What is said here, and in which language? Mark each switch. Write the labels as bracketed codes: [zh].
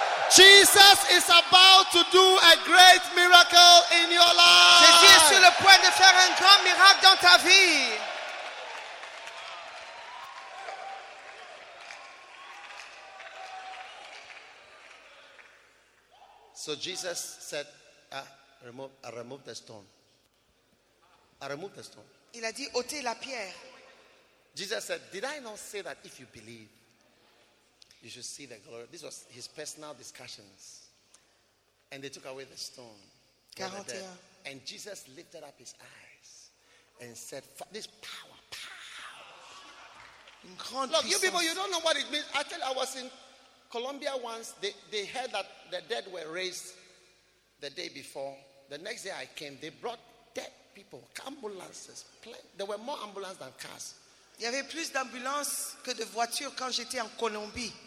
[en] Jesus is about to do a great miracle in your life. [fr] Jésus est sur le point de faire un grand miracle dans ta vie. [en] So Jesus said, remove the stone. Remove the stone. [fr] Il a dit, ôtez la pierre. [en] Jesus said, did I not say that if you believe, you should see the glory? This was his personal discussions. And they took away the stone. 41. And Jesus lifted up his eyes and said, this power, power. Look, [fr] puissance. [en] You people, you don't know what it means. I tell you, I was in Colombia once. They heard that the dead were raised the day before. The next day I came, they brought dead people, ambulances. There were more ambulances than cars. [fr] Il y avait plus d'ambulances que de voitures quand j'étais en Colombie.